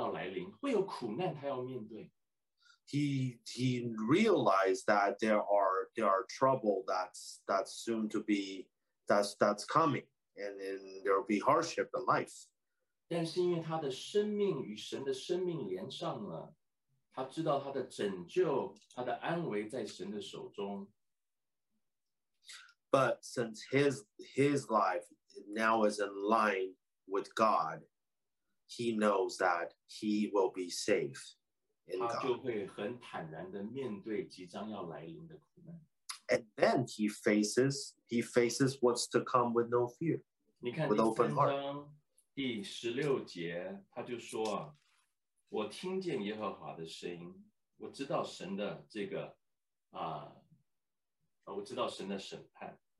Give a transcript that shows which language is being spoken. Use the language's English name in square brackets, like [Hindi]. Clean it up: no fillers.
[Chinese] 他知道会有灾难要来临，会有苦难他要面对。 [English] He realized that there are trouble that's soon to be that's coming, and there will be hardship in life. [Chinese] 但是因为他的生命与神的生命连上了，他知道他的拯救、他的安危在神的手中。 [English] But since his life now is in line with God, he knows that he will be safe in God. And then he faces what's to come with no fear, with open heart. [Chinese] 第十六节他就说，我听见耶和华的声音，我知道神的审判。